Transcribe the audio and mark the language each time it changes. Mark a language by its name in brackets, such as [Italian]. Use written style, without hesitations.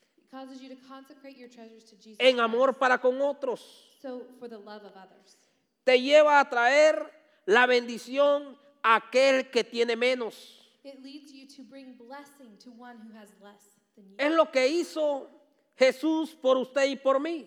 [English] causes you to consecrate your treasures to Jesus [Spanish] en amor Christ. Para con otros. [English] So for the love of others. [Spanish] Te lleva a traer la bendición a aquel que tiene menos. [English] It leads you to bring blessing to one who has less than you. [Spanish] Es lo que hizo Jesús por usted y por mí.